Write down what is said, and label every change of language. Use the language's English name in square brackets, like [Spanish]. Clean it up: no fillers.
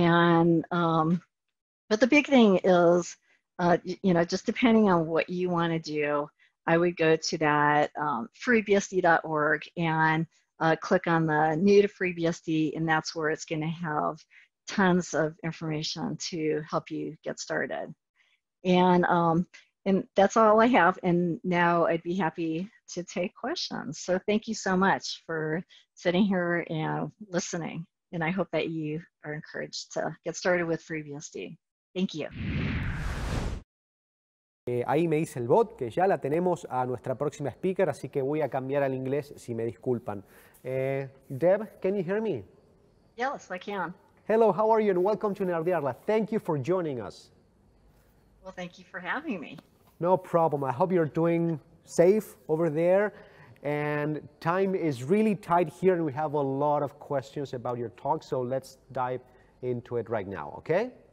[English] But the big thing is, just depending on what you want to do, I would go to that freebsd.org and click on the new to FreeBSD, and that's where it's going to have tons of information to help you get started. And that's all I have. And now I'd be happy to take questions. So thank you so much for sitting here and listening. And I hope that you are encouraged to get started with FreeBSD. Thank you. [Spanish] Ahí me dice el bot que ya la tenemos a nuestra próxima speaker, así que voy a cambiar al inglés, si me disculpan. [English] Deb, can you hear me? Yes, I can. Hello, how are you? And welcome to Nerdearla. Thank you for joining us. Well, thank you for having me. No problem. I hope you're doing safe over there. And time is really tight here, and we have a lot of questions about your talk, so let's dive into it right now, okay?